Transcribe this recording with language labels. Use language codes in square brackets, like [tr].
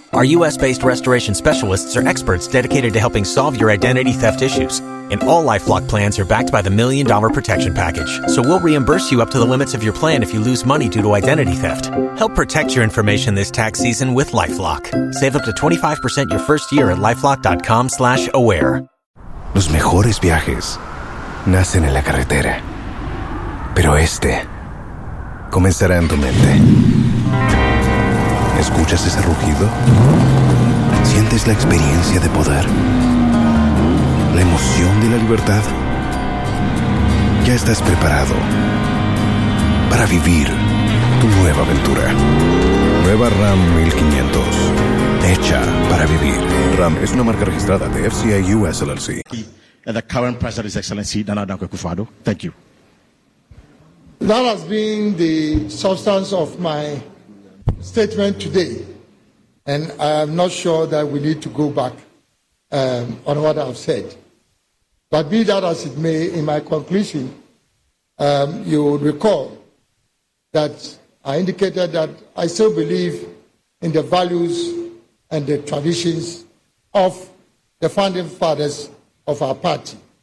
[en] Our U.S.-based restoration specialists are experts dedicated to helping solve your identity theft issues. And all LifeLock plans are backed by the $1 Million Protection Package. So we'll reimburse you up to the limits of your plan if you lose money due to identity theft. Help protect your information this tax season with LifeLock. Save up to 25% your first year at LifeLock.com/aware. [es] Los mejores viajes nacen en la carretera, pero este comenzará en tu mente. ¿Escuchas ese rugido? ¿Sientes la experiencia de poder? ¿La emoción de la libertad? Ya estás preparado para vivir tu nueva aventura. Nueva Ram 1500, hecha para vivir. Ram es una marca registrada de FCA US LLC. [en] And the current president, His Excellency Nana Akufo-Addo. Thank you. That has been the substance of my statement today. And I'm not sure that we need to go back on what I've said. But be that as it may, in my conclusion, you would recall that I indicated that I still believe in the values and the traditions of the founding fathers of our party.